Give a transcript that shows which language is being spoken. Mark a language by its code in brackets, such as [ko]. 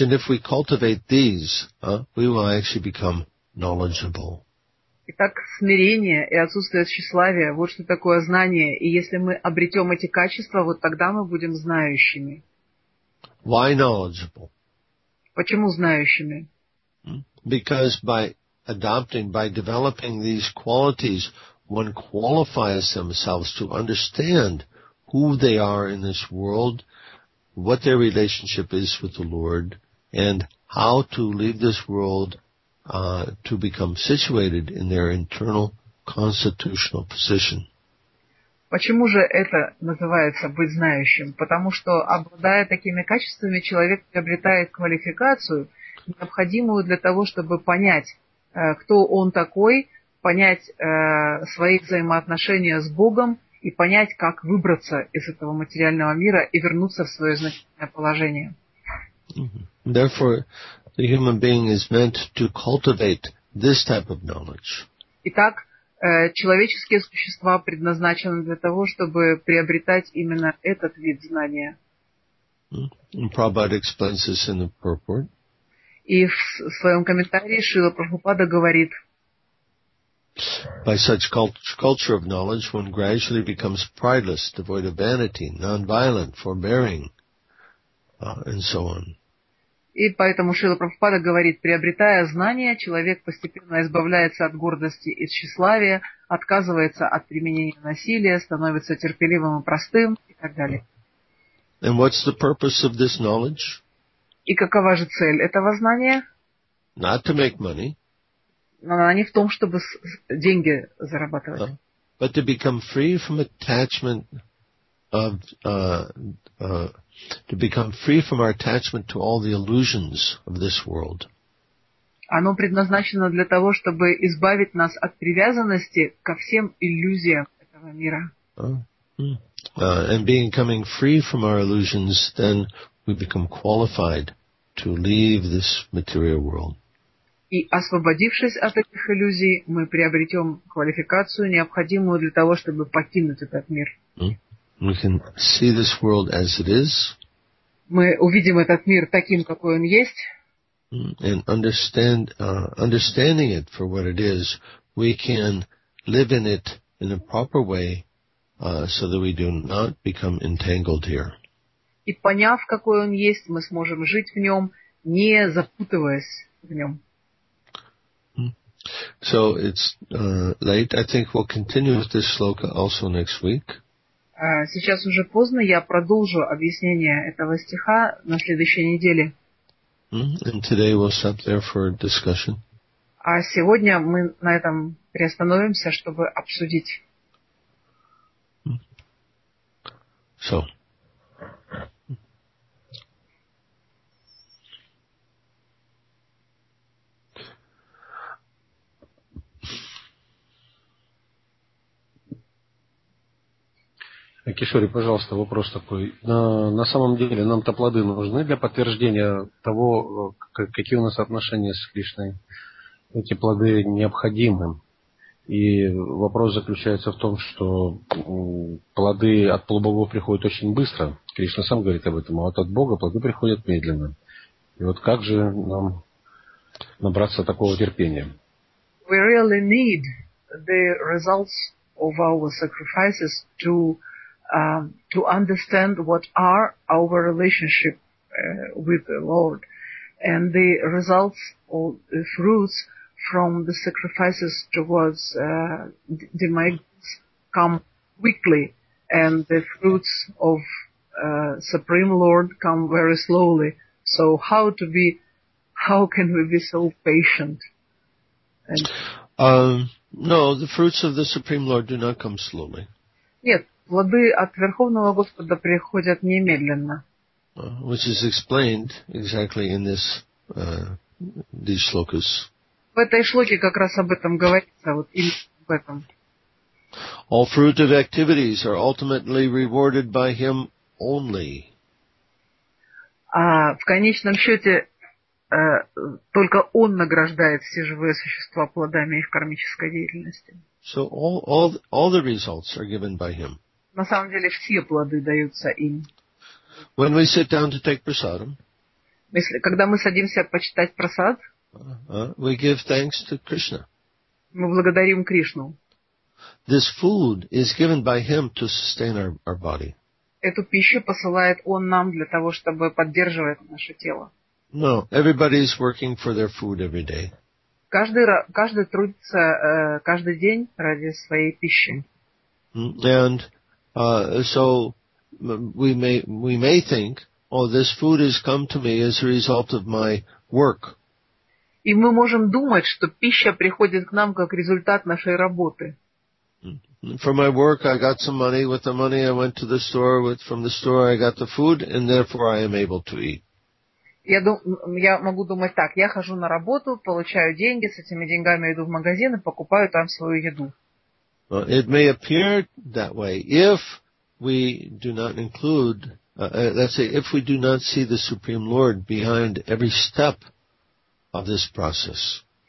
[en] And if we cultivate these, we will actually become knowledgeable. [ru] Итак, смирение и отсутствие тщеславия – вот что такое знание. И если мы обретем эти качества, вот тогда мы будем знающими. [en] Why knowledgeable? [ru] Почему знающими? [en] Because by adopting, by developing these qualities, one qualifies themselves to understand who they are in this world, what their relationship is with the Lord, and how to leave this world to become situated in their internal constitutional position. [ru] Почему же это называется быть знающим? Потому что, обладая такими качествами, человек приобретает квалификацию, необходимую для того, чтобы понять, кто он такой, понять свои взаимоотношения с Богом и понять, как выбраться из этого материального мира и вернуться в свое значительное положение. [en] Therefore, the human being is meant to cultivate this type of knowledge. [ru] Итак, человеческие существа предназначены для того, чтобы приобретать именно этот вид знания. [en] And Prabhupada explains this in the purport. [ru] И в своем комментарии Шрила Прабхупада говорит: [en] by such culture of knowledge, one gradually becomes prideless, devoid of vanity, non-violent, forbearing, and so on. [ru] И поэтому Шрила Прабхупада говорит, приобретая знания, человек постепенно избавляется от гордости и тщеславия, отказывается от применения насилия, становится терпеливым и простым и так далее. [en] And what's the purpose of this knowledge? [ru] И какова же цель этого знания? [en] Not to make money. [ru] Она не в том, чтобы деньги зарабатывать. [en] But to become free from attachment of to become free from our attachment to all the illusions of this world. [ru] Оно предназначено для того, чтобы избавить нас от привязанности ко всем иллюзиям этого мира. [en] And becoming free from our illusions, then we become qualified to leave this material world. [ru] И освободившись от этих иллюзий, мы приобретем квалификацию, необходимую для того, чтобы покинуть этот мир. [en] We can see this world as it is. [ru] Мы увидим этот мир таким, какой он есть. [en] And understanding it for what it is, we can live in it in a proper way, so that we do not become entangled here. [ru] И поняв, какой он есть, мы сможем жить в нем, не запутываясь в нем. [en] So it's late. I think we'll continue with this sloka also next week. [ru] Сейчас уже поздно, я продолжу объяснение этого стиха на следующей неделе. [en] And today we'll stop there for discussion. [ru] А сегодня мы на этом приостановимся, чтобы обсудить. [en] So. [ru] Кишори, пожалуйста, вопрос такой. На самом деле нам-то плоды нужны для подтверждения того, какие у нас отношения с Кришной. Эти плоды необходимы. И вопрос заключается в том, что плоды от плодов приходят очень быстро. Кришна сам говорит об этом. А вот от Бога плоды приходят медленно. И вот как же нам набраться такого терпения? [en] We really need the results of our sacrifices to understand what are our relationship with the Lord. And the results or the fruits from the sacrifices towards demigods come quickly, and the fruits of Supreme Lord come very slowly. So how can we be so patient? And no, the fruits of the Supreme Lord do not come slowly. [ru] Нет. Плоды от Верховного Господа приходят немедленно. [en] Which is explained exactly in this these shlokas. [ru] В этой шлоке как раз об этом говорится, вот и в этом. [en] All fruitive activities are ultimately rewarded by him only. [ru] А в конечном счете только он награждает все живые существа плодами их кармической деятельности. [en] So all the results are given by him. [ru] На самом деле все плоды даются им. [en] When we sit down to take prasadam, [ru] когда мы садимся почитать прасад, [en] we give thanks to Krishna. [ru] Мы благодарим Кришну. [en] This food is given by him to sustain our body. [ru] Эту пищу посылает он нам для того, чтобы поддерживать наше тело. [en] No, everybody is working for their food every day. [ru] Каждый трудится каждый день ради своей пищи. [en] And so we may think, oh, this food has come to me as a result of my work. [ru] И мы можем думать, что пища приходит к нам как результат нашей работы. [en] For my work, I got some money. With the money, I went to the store. From the store, I got the food, and therefore, I am able to eat. [ru] Я могу думать так: я хожу на работу, получаю деньги, с этими деньгами иду в магазин и покупаю там свою еду. [en] Well, it may appear that way if we do not include, if we do not see the Supreme Lord behind every step of this process.